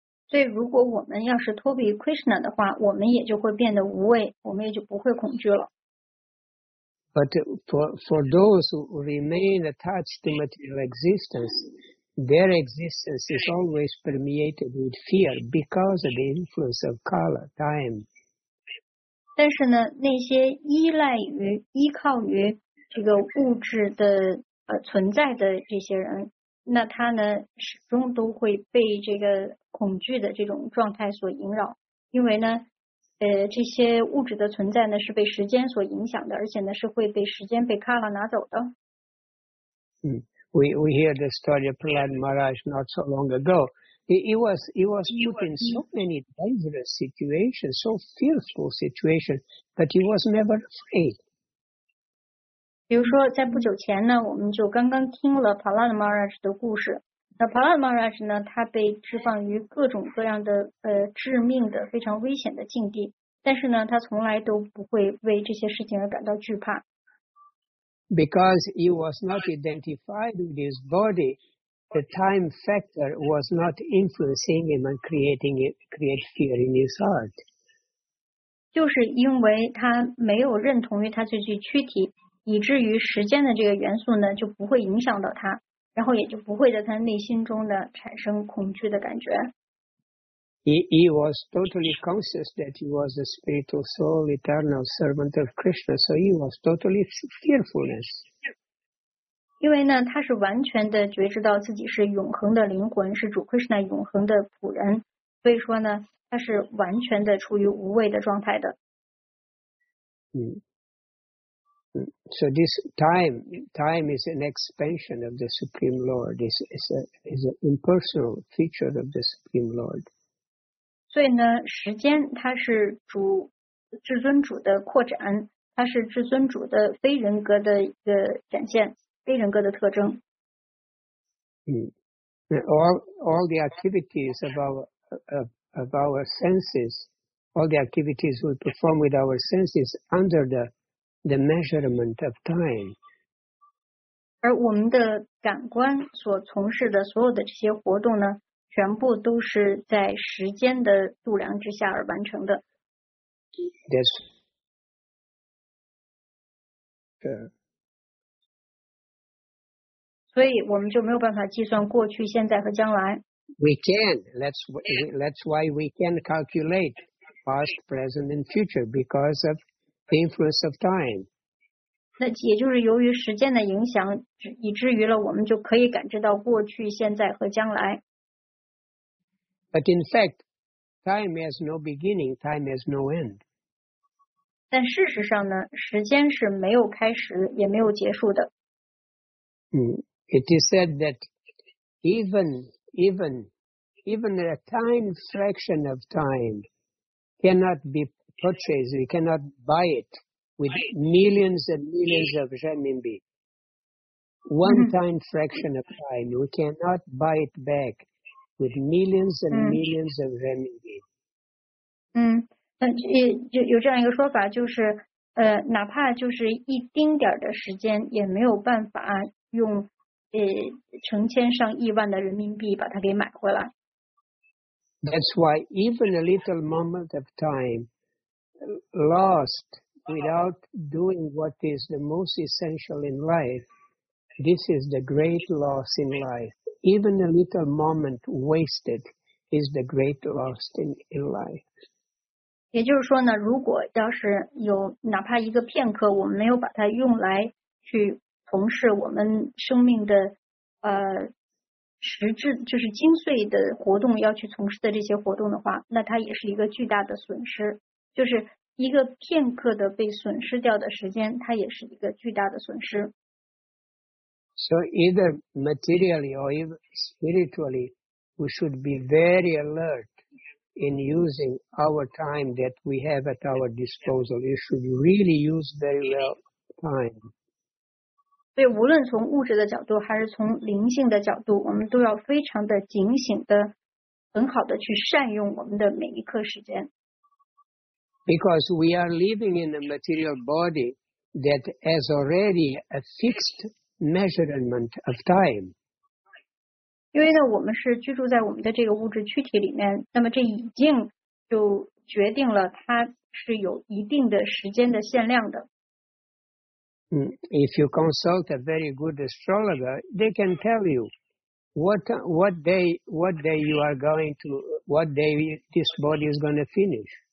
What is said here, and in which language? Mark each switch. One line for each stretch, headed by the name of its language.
Chinese: 所以如果我们要是脱离 Krishna 的话，我们也就会变得无畏，我们也就不会恐惧了.
English: But for those who remain attached to material existence, their existence is always permeated with fear because of the influence of kala, time.
Chinese: 但是呢，那些依赖于依靠于这个物质的存在的这些人，那他呢始终都会被这个恐惧的这种状态所萦绕，因为呢这些物质的存在呢是被时间所影响的，而且呢是会被时间被卡拉拿走的。
English: We hear the story of Prahlad Maharaj not so long ago. He was put in so many dangerous situations, so fearful situations, but he was never afraid.
Chinese: 比如说在不久前呢，我们就刚刚听了 Prahlad Maharaj 的故事。那 Prahlad Maharaj 呢，他被置放于各种各样的致命的非常危险的境地，但是呢他从来都不会为这些事情而感到惧怕。
English: Because he was not identified with his body, the time factor was not influencing him and create fear in his heart.
Chinese: 就是因为他没有认同于他这具躯体，以至于时间的这个元素呢就不会影响到他，然后也就不会在他内心中的产生恐惧的感觉。
English: He was totally conscious that he was a spiritual soul, eternal servant of Krishna, so he was totally fearfulness.
Chinese: 因为呢，他是完全的觉知到自己是永恒的灵魂，是主 Krishna 永恒的仆人，所以说呢，他是完全的处于无畏的状态的。
English: So this time is an expansion of the Supreme Lord. This is an impersonal feature of the Supreme Lord.
Chinese: 所以呢，时间它是主至尊主的扩展，它是至尊主的非人格的一个展现，非人格的特征。
English: All the activities of our senses, all the activities we perform with our senses under the measurement of time.
Chinese: 而我们的感官所从事的所有的这些活动呢，全部都是在时间的度量之下而完成的。
English: That's so.
Chinese: 所以我们就没有办法计算过去、现在和将来。
English: We can. That's why we can calculate past, present, and future because of the influence of time.
Chinese: 那也就是由于时间的影响，以至于了我们就可以感知到过去、现在和将来。
English: But in fact, time has no beginning, time has no end.
Chinese: 但事实上呢，时间是没有开始，也没有结束的。
English: It is said that even a tiny fraction of time cannot be purchased, we cannot buy it with millions and millions of renminbi. One tiny fraction of time, we cannot buy it back. With millions and millions of renminbi.
Chinese: 有这样一个说法，就是哪怕就是一丁点的时间，也没有办法用成千上亿万的人民币把它给买回来。
English: That's why even a little moment of time lost without doing what is the most essential in life, this is the great loss in life. Even a little moment wasted is the great loss in life.
Chinese: 也就是说呢，如果要是有哪怕一个片刻，我们没有把它用来去从事我们生命的实质，就是精髓的活动，要去从事的这些活动的话，那它也是一个巨大的损失。就是一个片刻的被损失掉的时间，它也是一个巨大的损失。
English: So either materially or even spiritually, we should be very alert in using our time that we have at our disposal. You should really use very well time.
Chinese: 所以无论从物质的角度还是从灵性的角度，我们都要非常的警醒的，很好的去善用我们的每一刻时间。
English: Because we are living in a material body that has already a fixed measurement of time.
Chinese: 因为呢，我们是居住在我们的这个物质躯体里面，那么这已经就决定了它是有一定的时间的限量的。
English: If you consult a very good astrologer, they can tell you what day this body is going to finish.